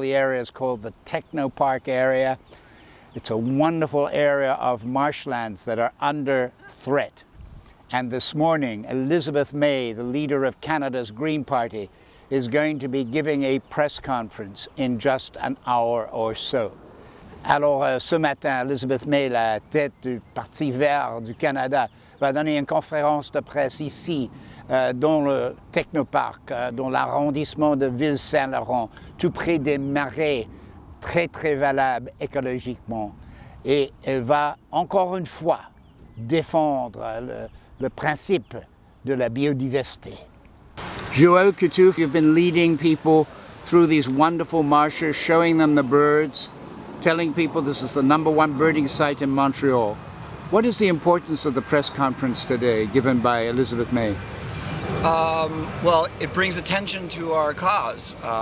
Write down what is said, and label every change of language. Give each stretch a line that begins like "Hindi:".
English: The area is called the Technoparc area. It's a wonderful area of marshlands that are under threat. And this morning, Elizabeth May, the leader of Canada's Green Party, is going to be giving a press conference in just an hour or so.
French: Alors, ce matin, Elizabeth May, la tête du Parti Vert du Canada, va donner une conférence de presse ici, dans le Technoparc, dans l'arrondissement de Ville-Saint-Laurent, tout près des marais, très, très valables écologiquement. Et elle va, encore une fois, défendre le principe de la biodiversité.
English: Joël Couture, you've been leading people through these wonderful marshes, showing them the birds, telling people this is the number one birding site in Montreal. What is the importance of the press conference today given by Elizabeth May? Well, it brings attention to our cause.